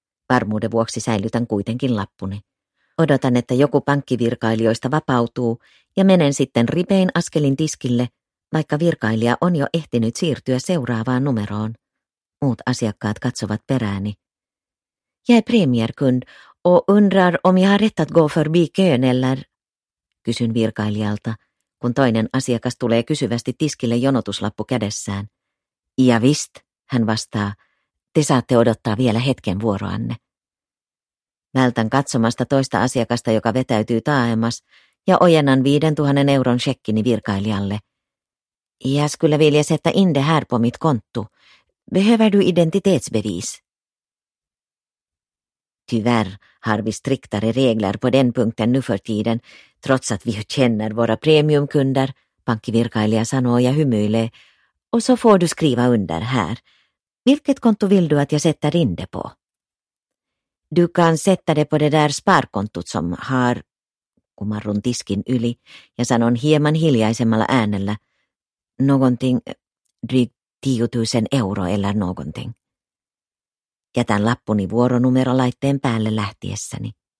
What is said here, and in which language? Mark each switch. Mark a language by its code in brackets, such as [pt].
[fi] Varmuuden vuoksi säilytän kuitenkin lappuni. Odotan, että joku pankkivirkailijoista vapautuu ja menen sitten ripein askelin tiskille, vaikka virkailija on jo ehtinyt siirtyä seuraavaan numeroon. Muut asiakkaat katsovat perääni. [sv] Jag är premierkund och undrar om jag har rätt att gå förbi kön eller? [fi] Kysyn virkailijalta, kun toinen asiakas tulee kysyvästi tiskille jonotuslappu kädessään. Ja visst, hän vastaa, te saatte odottaa vielä hetken vuoroanne. Vältän katsomasta toista asiakasta, joka vetäytyy taaemmas, ja ojennan 5000 euron shekkini virkailijalle. [sv] Jag skulle vilja sätta in det här på mitt konto. Behöver du identitetsbevis? Tyvärr har vi striktare regler på den punkten nu för tiden, trots att vi känner våra premiumkunder, [fi] pankkivirkailija sanoo ja hymyilee. [sv] Och så får du skriva under här. Vilket konto vill du att jag sätter in det på? Du kan sätta det på det där sparkontot som har... [fi] Kumarrun tiskin yli ja sanon hieman hiljaisemmalla äänellä. [sv] Någonting... Drygt 10 000 € eller någonting. [fi] Jätän lappuni vuoronumerolaitteen päälle lähtiessäni.